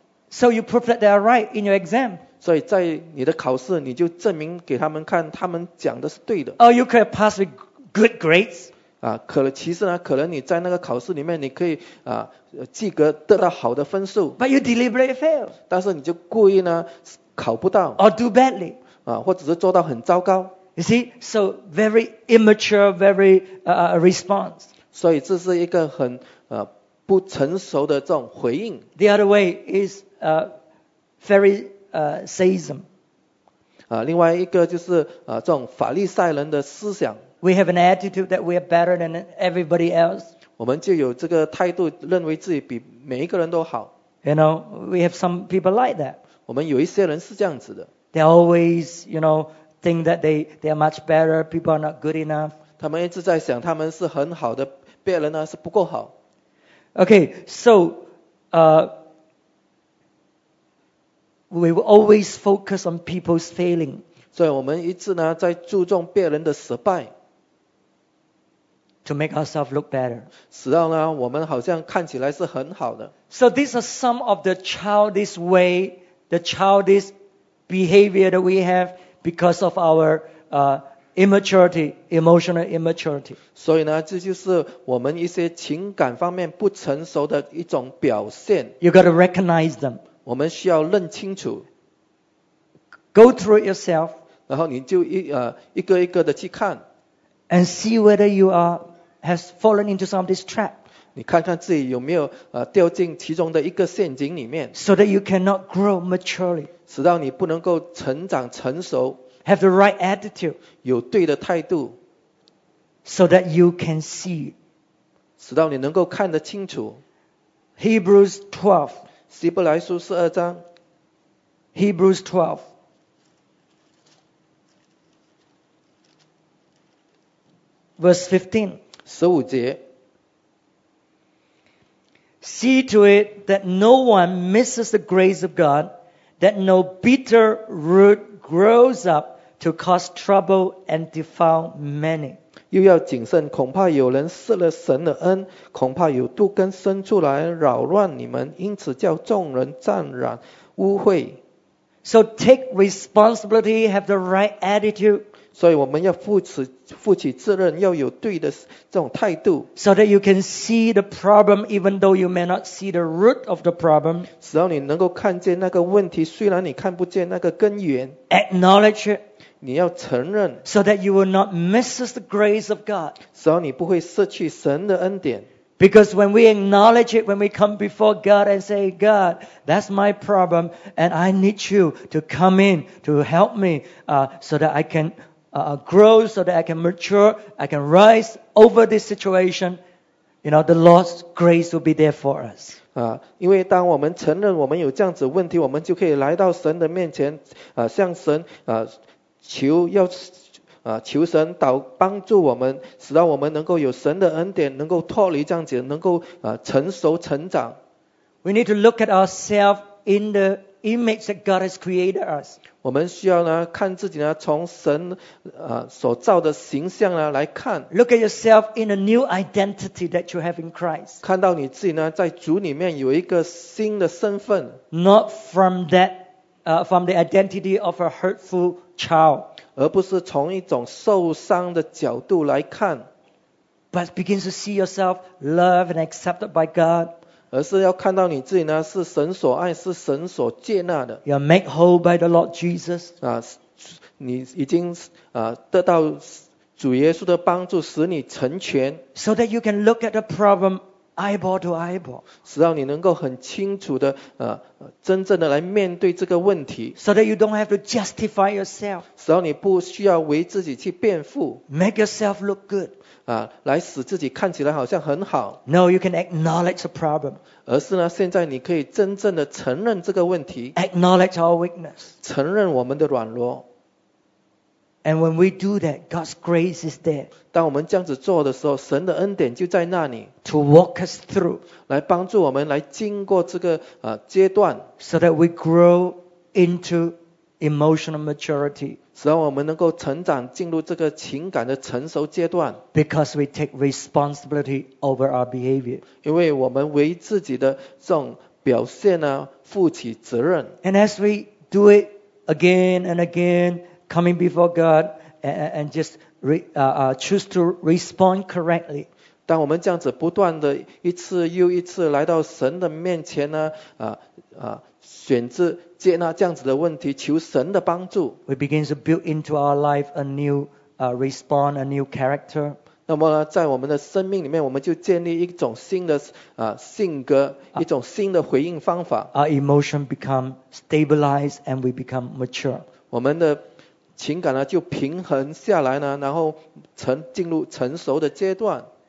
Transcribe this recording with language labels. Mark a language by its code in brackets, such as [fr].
[en] So you prove that they are right in your exam. [zh] 所以在你的考试，你就证明给他们看，他们讲的是对的。 [en] Oh, you could have passed with good grades. [zh] 可能其实呢，可能你在那个考试里面，你可以及格得到好的分数。 [en] But you deliberately fail. [zh] 但是你就故意呢，考不到。 [en] Or do badly. [zh] 或者是做到很糟糕。 [en] You see, so very immature, very response. [zh] 所以这是一个很不成熟的这种回应。 [en] The other way is Pharisaism. [zh] 另外一个就是这种法利赛人的思想。 [en] We have an attitude that we are better than everybody else. [zh] 我们就有这个态度，认为自己比每一个人都好。 [en] You know, we have some people like that. [zh] 我们有一些人是这样子的。 [en] They always, you know, think that they are much better. People are not good enough. [zh] 他们一直在想他们是很好的，别人呢是不够好。 [en] Okay, so we will always focus on people's failing. [zh] 所以我们一直呢在注重别人的失败。 [en] To make ourselves look better. [zh] 使到呢我们好像看起来是很好的。 [en] So these are some of the childish way, the childish behavior that we have because of our immaturity, emotional immaturity. [zh] 所以呢，这就是我们一些情感方面不成熟的一种表现。 [en] You got to recognize them. [zh] 我们需要认清楚。 [en] Go through it yourself. [zh] 然后你就一个一个的去看。 [en] And see whether you are has fallen into some of this trap. [zh] 你看看自己有没有掉进其中的一个陷阱里面。 [en] So that you cannot grow maturely. [zh] 使到你不能够成长成熟。 [en] Have the right attitude. [zh] 有对的态度。 [en] So that you can see. [zh] 使到你能够看得清楚。 [en] Hebrews 12. [zh] 希伯来书十二章。 [en] Hebrews 12. Verse 15. [zh] 十五节。 [en] See to it that no one misses the grace of God, that no bitter root grows up to cause trouble and defile many. [zh] 又要谨慎，恐怕有人失了神的恩，恐怕有妒根生出来，扰乱你们，因此叫众人沾染污秽。 [en] So take responsibility, have the right attitude. [zh] 所以我们要负起责任，要有对的这种态度。 [en] So that you can see the problem, even though you may not see the root of the problem. [zh] 使到你能够看见那个问题，虽然你看不见那个根源。 [en] Acknowledge it. [zh] 你要承认 [en] so that you will not miss the grace of God. [zh] 使你不会失去神的恩典。 [en] Because when we acknowledge it, when we come before God and say, God, that's my problem, and I need you to come in to help me, so that I can grow, so that I can mature, I can rise over this situation, you know, the Lord's grace will be there for us. [zh] 因为当我们承认我们有这样子问题，我们就可以来到神的面前，向神求神祷帮助我们，使到我们能够有神的恩典，能够脱离这样子，能够成熟成长。 [en] We need to look at ourselves in the image that God has created us. [zh] 我们需要呢看自己呢从神所造的形象呢来看。 [en] Look at yourself in a new identity that you have in Christ. [zh] 看到你自己呢在主里面有一个新的身份。 [en] Not from that, from the identity of a hurtful. Child, [zh] 而不是从一种受伤的角度来看 [en] but begins to see yourself loved and accepted by God. [zh] 而是要看到你自己呢，是神所爱，是神所接纳的。 [en] You're made whole by the Lord Jesus. [zh] 你已经得到主耶稣的帮助，使你成全。 [en] So that you can look at the problem eyeball to eyeball. [zh] 使到你能够很清楚的真正的来面对这个问题。 [en] So that you don't have to justify yourself. [zh] 使到你不需要为自己去辩护。 [en] Make yourself look good. [zh] 来使自己看起来好像很好。 [en] No, you can acknowledge the problem. [zh] 而是呢，现在你可以真正的承认这个问题。 [en] Acknowledge our weakness. [zh] 承认我们的软弱。 [en] And when we do that, God's grace is there. [zh] 当我们这样子做的时候，神的恩典就在那里。 [en] To walk us through. [zh] 来帮助我们来经过这个阶段。 [en] So that we grow into emotional maturity. [zh] 使我们能够成长进入这个情感的成熟阶段。 [en] Because we take responsibility over our behavior. [zh] 因为我们为自己的这种表现呢，负起责任。 [en] And as we do it again and again,coming before God and just choose to respond correctly. [zh] 当我们这样子不断的一次又一次来到神的面前呢，选择接纳这样子的问题，求神的帮助。 [en] We begin to build into our life a new response, a new character. [zh] 那么呢，在我们的生命里面，我们就建立一种新的性格，一种新的回应方法。 [en] Our emotion become stabilized and we become mature. [zh] 我们的情感呢就平衡下来呢，然后进入成熟的阶段。